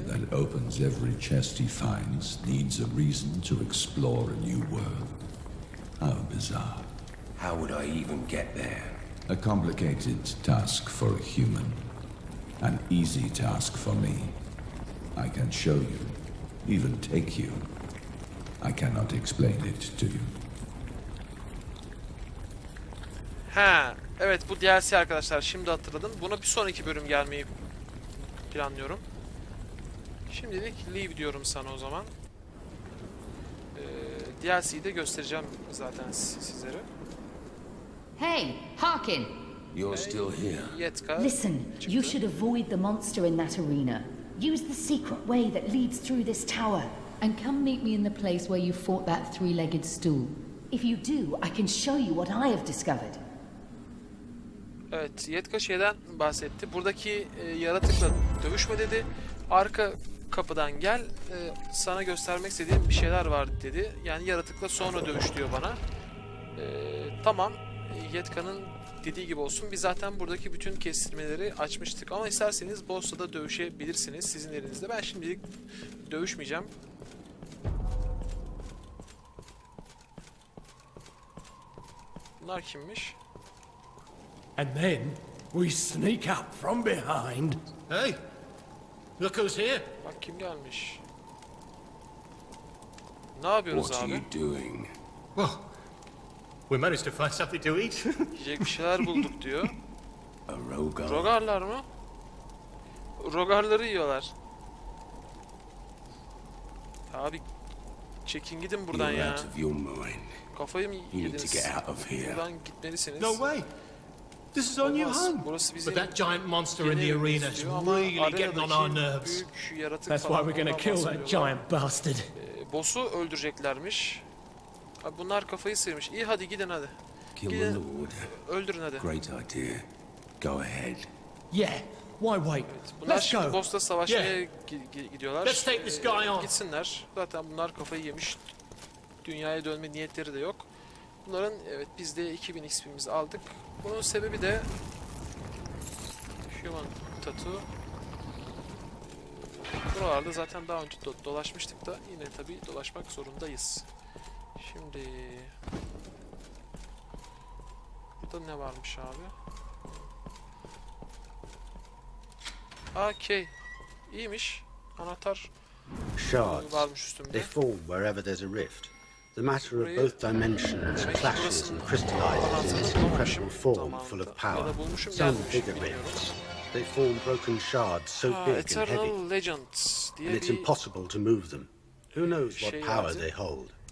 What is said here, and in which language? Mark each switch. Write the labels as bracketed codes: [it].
[en] A human that opens every chest he finds needs a reason to explore a new world. How bizarre. How would I even get there? A complicated task for a human. An easy task for me. I can show you, even take you. I cannot explain it to you. [tr] Ha, evet bu DLC arkadaşlar, şimdi hatırladım. Buna bir sonraki bölüm gelmeyi planlıyorum. Şimdilik leave diyorum sana o zaman. DLC'yi de göstereceğim zaten sizlere. [en] Hey, Harkin. You're still here. [tr] Yetka. [en] Listen, [tr] çıktı. [en] You should avoid the monster in that arena. Use the secret way that leads through this tower and come meet me in the place where you fought that three-legged stool. If you do, I can show you what I have discovered. [tr] Evet, Yetka şeyden bahsetti. Buradaki yaratıkla dövüşme dedi. Arka kapıdan gel. Sana göstermek istediğim bir şeyler var dedi. Yani yaratıkla sonra dövüş diyor bana. Tamam. Yetka'nın dediği gibi olsun. Biz zaten buradaki bütün kestirmeleri açmıştık. Ama isterseniz boss'la da dövüşebilirsiniz sizin elinizde. Ben şimdilik dövüşmeyeceğim. Bunlar kimmiş? [en] And then we sneak up from behind. Hey! Look who's here. [tr] Bak kim gelmiş. Ne yapıyorsunuz abi? [en] What are you doing? Well, we managed to find something to eat. [tr] Yiyecek bir şeyler bulduk diyor. [en] A Rogar. [tr] Rogarlar mı? Rogarları yiyorlar. Abi çekin gidin buradan ya. Kafayı mı yediniz? [en] You need to get out of here. [tr] Buradan gitmelisiniz. [en] No way. This is our new home. But that giant monster in the arena is really getting on our nerves. That's why we're going to kill that giant bastard. [tr] Boss'u öldüreceklermiş. Abi bunlar kafayı sıyırmış. İyi hadi gidin hadi. [en] Kill the Lord. [tr] Öldürün hadi. [en] Great idea. Go ahead. Yeah. Why wait? Let's go. [tr] Boss'la savaşmaya gidiyorlar. [en] Let's take this guy on. [tr] Gitsinler. Zaten bunlar kafayı yemiş. Dünyaya dönme niyetleri de yok. Bunların evet biz de 2000 XP'mizi aldık. Bunun sebebi de Human Tattoo. Buralarda zaten daha önce dolaşmıştık da yine tabi dolaşmak zorundayız. Şimdi burada ne varmış abi? Okay. İyiymiş. Anahtar varmış üstümde. [en] They fall wherever there's a rift. The matter of both dimensions clashes and crystallizes in this incredible form full of power. Some bigger rifts. They form broken shards so big and heavy. [tr] Eternal Legends diye [en] and it's impossible to move them. Who knows what power they hold?